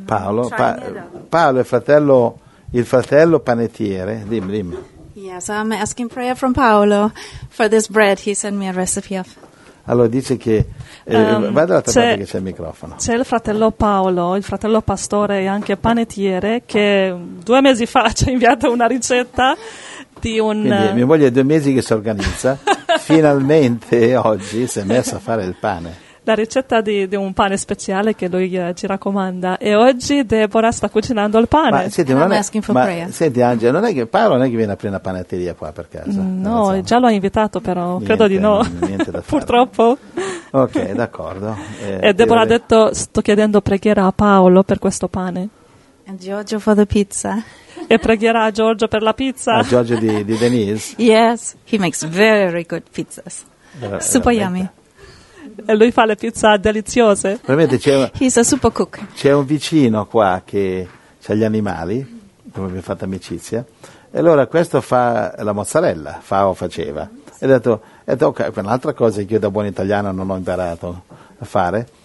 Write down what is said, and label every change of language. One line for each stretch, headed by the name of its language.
Italian: Paolo è il fratello panettiere. Dimmi.
English: Yes, I'm asking prayer from Paolo for this bread he sent me a recipe of.
Italian: Allora dice che vai dall'altra parte che c'è il microfono. C'è il fratello Paolo, il fratello pastore e anche panettiere, che 2 mesi fa ci ha inviato una ricetta di un... Quindi mia moglie è 2 mesi che si organizza, finalmente oggi si è messa a fare il pane. La ricetta di un pane speciale che lui ci raccomanda, e oggi Deborah sta cucinando il pane. Senti Angela, non è che Paolo non è che viene a prendere la panetteria qua per casa? No, già lo ha invitato però, niente, credo di no. Niente da fare. Purtroppo. Ok, d'accordo. E Deborah ha detto, sto chiedendo preghiera a Paolo per questo pane.
English: E Giorgio for the pizza.
Italian: E preghiera a Giorgio per la pizza. A Giorgio di Denise?
English: Yes, he makes very good pizzas. Super yummy.
Italian: E lui fa le pizze deliziose. Veramente c'è
English: He's a super cook.
Italian: C'è un vicino qua che c'ha gli animali, dove mi ha fatto amicizia. E allora questo fa la mozzarella, fa o faceva. E ha detto, okay, un'altra cosa che io da buon italiano non ho imparato a fare.